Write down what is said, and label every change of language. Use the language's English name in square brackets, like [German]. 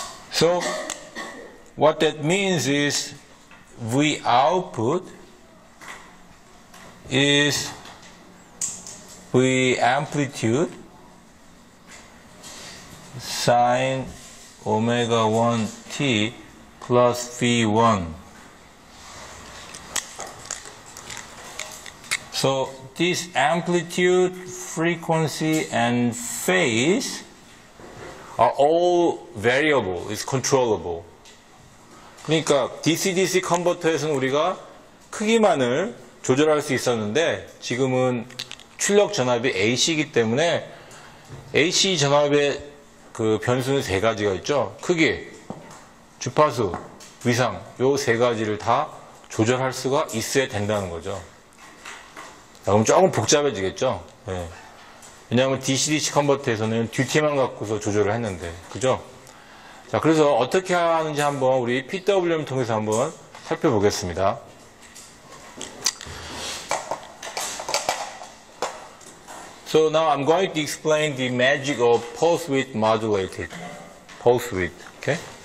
[English] So what that means is V output is V amplitude sine omega 1 t plus V 1. So this amplitude, frequency, and phase are all variable, it's controllable. [Korean] 그러니까 DC-DC 컨버터에서는 우리가 크기만을 조절할 수 있었는데 지금은 출력 전압이 AC이기 때문에 AC 전압의 그 변수는 세 가지가 있죠. 크기, 주파수, 위상, 요 세 가지를 다 조절할 수가 있어야 된다는 거죠. 그럼 조금 복잡해지겠죠. 네. 왜냐하면 DC-DC 컨버터에서는 듀티만 갖고서 조절을 했는데, 그죠? 자, 그래서 어떻게 하는지 한번 우리 PWM 통해서 한번 살펴보겠습니다. 그래서 [English] so now I'm going to explain the magic of pulse width modulated. Pulse width, okay?